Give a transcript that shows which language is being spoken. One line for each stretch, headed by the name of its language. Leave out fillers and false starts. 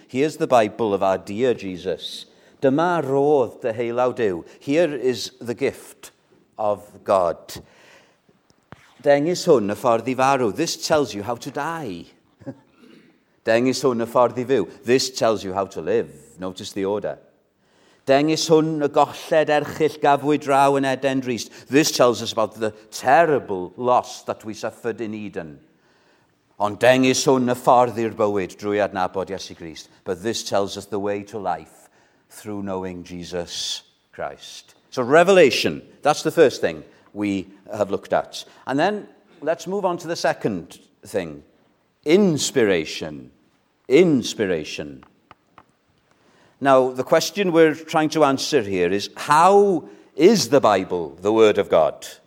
English: Here's the Bible of our dear Jesus.
Welsh: Dyma rodd dy heilaw Duw.
English: Here is the gift of God.
Welsh: Dengis hwn y ffordd I farw.
English: This tells you how to die.
Welsh: Dengis hwn y ffordd I fyw.
English: This tells you how to live. Notice the order.
Welsh: Dengis hwn y golled erchyll gafwyd draw yn Eden Drist.
English: This tells us about the terrible loss that we suffered in Eden.
Welsh: Ond dengis hwn y ffordd i'r bywyd drwy adnabod Iesu Grist.
English: But this tells us the way to life through knowing Jesus Christ. So revelation, that's the first thing we have looked at. And then let's move on to the second thing. Inspiration. Inspiration. Now, the question we're trying to answer here is, how is the Bible the Word of God?